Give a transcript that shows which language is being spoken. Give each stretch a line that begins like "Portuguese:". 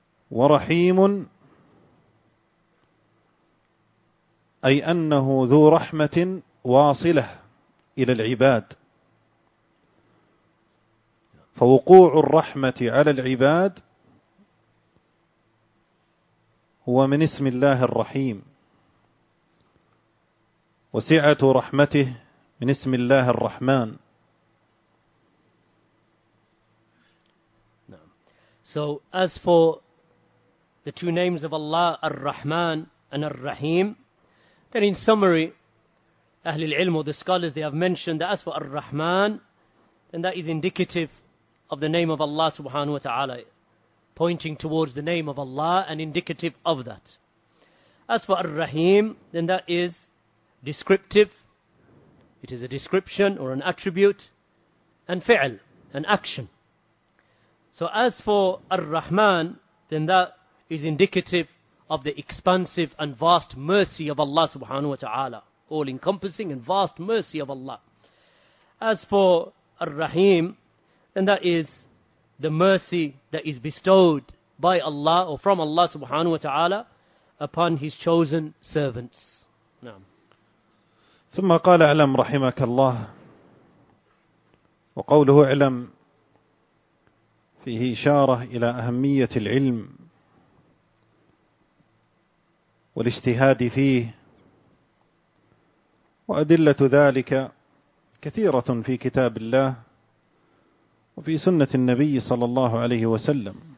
Arabic: ورحيم أي أنه ذو رحمة واصلة إلى العباد، فوقوع الرحمة على العباد هو من اسم الله الرحيم، وسعة رحمته من اسم الله الرحمن.
English: So as for the two names of Allah, Ar-Rahman and Ar-Rahim, then in summary, Ahlul Ilm or the scholars, they have mentioned that as for Ar-Rahman, then that is indicative of the name of Allah subhanahu wa ta'ala, pointing towards the name of Allah and indicative of that. As for Ar-Rahim, then that is descriptive. It is a description or an attribute, and fi'l, an action. So as for Ar-Rahman, then that is indicative of the expansive and vast mercy of Allah subhanahu wa ta'ala, all-encompassing and vast mercy of Allah. As for Ar-Rahim, then that is the mercy that is bestowed by Allah or from Allah subhanahu wa ta'ala upon His chosen servants.
Arabic: نعم. ثم قال اعلم رحمك الله، وقوله اعلم فيه إشارة إلى أهمية العلم والاجتهاد فيه، وأدلة ذلك كثيرة في كتاب الله وفي سنة النبي صلى الله عليه وسلم،